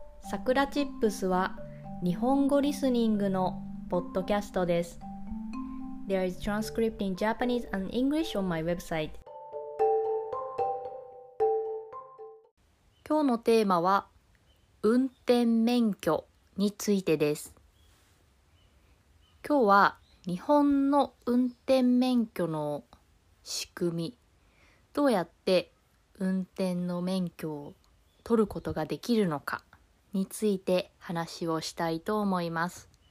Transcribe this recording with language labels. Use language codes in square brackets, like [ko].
[ja] さくらチップスは日本語リスニングのポッドキャストです。 [en] There is transcript in Japanese and English on my website。 [ja] 今日のテーマは運転免許についてです。今日は日本の運転免許の仕組み、どうやって運転の免許を取ることができるのかについて話をしたいと思います。